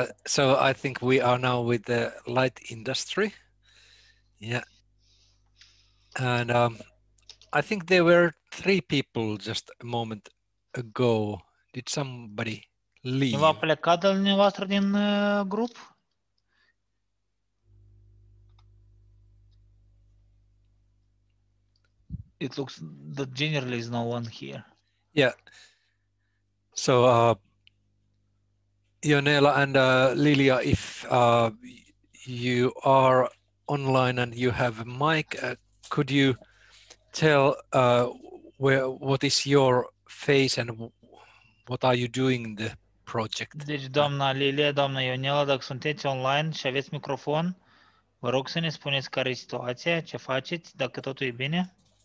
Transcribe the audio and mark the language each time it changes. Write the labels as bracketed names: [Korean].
[English] So I think we are now with the light industry. Yeah. And I think there were three people just a moment ago. Did somebody leave? [Romanian] Nu a plecat dumneavoastră din grup? [English] It looks that generally is no one here. Yeah. So, Ionela and Lilia, if you are online and you have a mic, could you tell what is your face and what are you doing in the project? [Romanian] Deci, doamna Lilia, doamna Ionela, dacă sunteți online și aveți microfon, vă rog să ne spuneți care e situația, ce faceți, dacă totul e bine.